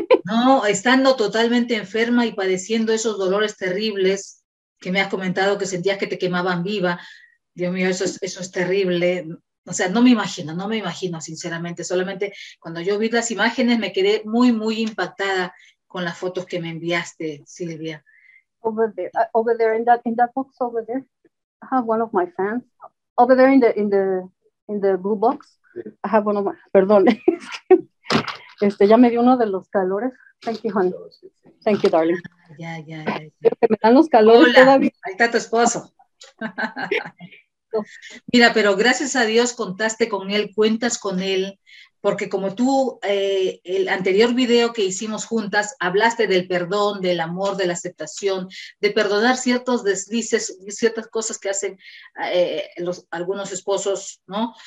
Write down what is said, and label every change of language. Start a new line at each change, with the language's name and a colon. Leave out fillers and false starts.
Spanish: No, estando totalmente enferma y padeciendo esos dolores terribles que me has comentado que sentías que te quemaban viva. Dios mío, eso es terrible. O sea, no me imagino, sinceramente. Solamente cuando yo vi las imágenes me quedé muy, muy impactada con las fotos que me enviaste, Silvia.
English: Over there, in that box over there, I have one of my fans. Over there in the blue box, I have one of my.
Spanish: Perdón. ya me dio uno de los calores.
English: Thank you, honey. Thank you, darling.
Spanish: Ya. Que me dan los calores. Hola, ahí está tu esposo. Mira, pero gracias a Dios contaste con él, cuentas con él, porque como tú, el anterior video que hicimos juntas, hablaste del perdón, del amor, de la aceptación, de perdonar ciertos deslices, ciertas cosas que hacen algunos esposos, ¿no?